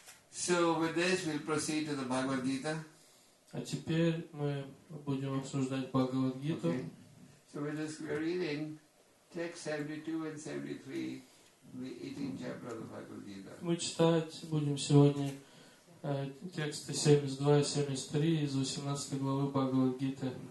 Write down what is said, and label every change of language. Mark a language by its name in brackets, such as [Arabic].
[English] So with this, we'll proceed to the Bhagavad Gita. [Russian] А теперь мы будем обсуждать Бхагавад Гиту. [English] Okay. So with this, we're reading text 72 and 73, the 18th chapter of the Bhagavad Gita. [Russian] Мы читать будем сегодня тексты 72 и 73 из 18 главы Бхагавад Гиты.